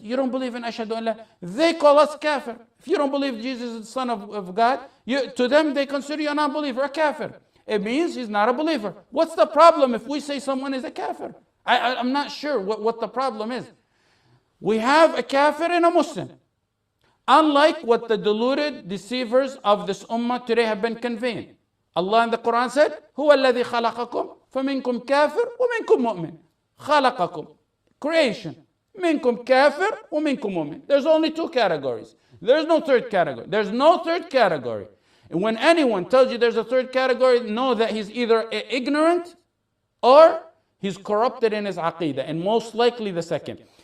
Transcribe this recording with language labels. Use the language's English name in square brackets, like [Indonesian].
[English] You don't believe in [Arabic] ashhadu an la, [English] they call us kafir. If you don't believe Jesus is the Son of God, you, to them, they consider you a non-believer, a kafir. It means he's not a believer. What's the problem if we say someone is a kafir? I'm not sure what the problem is. We have a kafir and a Muslim. Unlike what the deluded deceivers of this ummah today have been conveying. Allah in the Quran said, [Arabic] هو الذي خلقكم فمنكم كافر ومنكم مؤمن. خلقكم, [English] creation. [Arabic] منكم كافر ومنكم مؤمن. [English] There's only two categories. There's no third category. There's no third category. And when anyone tells you there's a third category, know that he's either ignorant or he's corrupted in his aqidah, and most likely the second.